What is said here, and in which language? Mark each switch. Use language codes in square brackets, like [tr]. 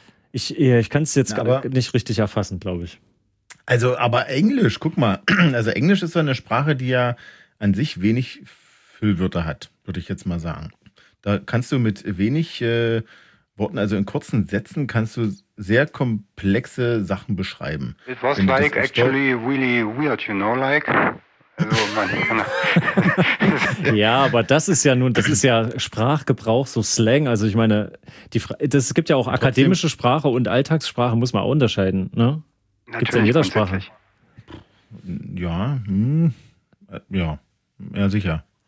[de] Ich kann es jetzt aber gar nicht richtig erfassen, glaube ich. Also, aber Englisch, guck mal. Also Englisch ist so eine Sprache, die ja an sich wenig Füllwörter hat, würde ich jetzt mal sagen. Da kannst du mit wenig Worten, also in kurzen Sätzen, kannst du sehr komplexe Sachen beschreiben. [en] It was like actually really weird, you know, like. [de] Also man, ja, aber das ist ja nun, das ist ja Sprachgebrauch, so Slang. Also ich meine, es gibt ja auch trotzdem, akademische Sprache und Alltagssprache, muss man auch unterscheiden. Ne? Gibt es ja in jeder Sprache. Ja, ja, ja, sicher.